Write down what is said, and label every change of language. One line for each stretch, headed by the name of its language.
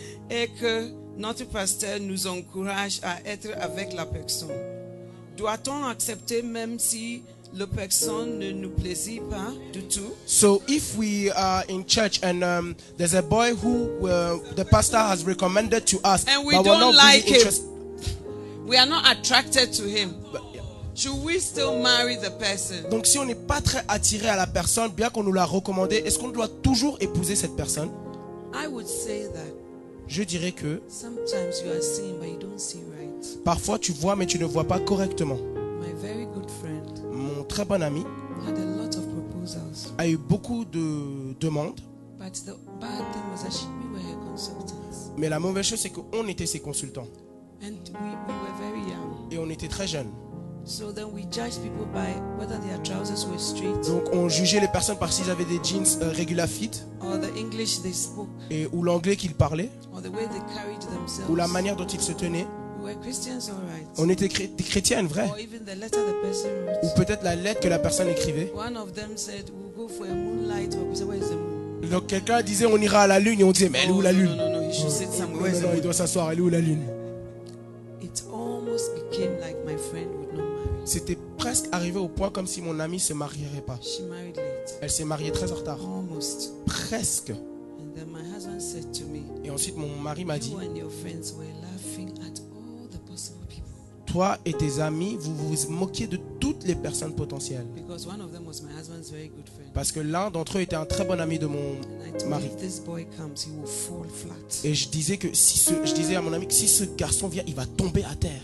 French: Et que notre pasteur nous encourage à être avec la personne. Doit-on accepter même si la personne ne nous plaisit pas du tout?
English: So if we are in church and there's a boy who the pastor has recommended to us, and we but don't we're not like really him, we are not attracted to him. But, yeah. Should we still marry the person?
French: Donc si on n'est pas très attiré à la personne, bien qu'on nous l'a recommandé, est-ce qu'on doit toujours épouser cette personne?
English: I would say that.
French: Je dirais que
English: sometimes you are seeing, but you don't see right.
French: Parfois tu vois mais tu ne vois pas correctement.
English: My very good friend,
French: mon très bon ami
English: had a lot of proposals,
French: a eu beaucoup de demandes.
English: But the bad thing was that we were her consultants.
French: Mais la mauvaise chose c'est qu'on était ses consultants.
English: And we were very young.
French: Et on était très jeunes.
English: So then we judged people by whether their trousers were straight.
French: Donc on jugeait les personnes par s'ils avaient des jeans
English: regular fit. Or the English they spoke.
French: Et ou l'anglais qu'ils parlaient.
English: Or the way they carried themselves.
French: Ou la manière dont ils se tenaient.
English: We were Christians, all right.
French: On était chrétiennes, vrai.
English: Or even the letter the person wrote.
French: Ou peut-être la lettre que la personne écrivait.
English: One of them said, we'll go for a moonlight. Or where is the moon?
French: Donc quelqu'un disait on ira à la lune et on disait mais elle est où la lune?
English: No, he should sit somewhere.
French: Non, non, il doit s'asseoir. Elle est où la lune?
English: It almost became like my friend.
French: C'était presque arrivé au point comme si mon amie ne se marierait pas. Elle s'est mariée très en retard.
English: Almost.
French: Presque.
English: And then my husband said to me,
French: et ensuite mon mari m'a dit,
English: you and your friends were laughing at all the possible people.
French: Toi et tes amis, vous vous moquiez de toutes les personnes potentielles.
English: Because one of them was my husband's very good friend.
French: Parce que l'un d'entre eux était un très bon ami de mon mari.
English: If this boy comes, he will fall flat.
French: Et je disais à mon ami que si ce garçon vient, il va tomber à terre.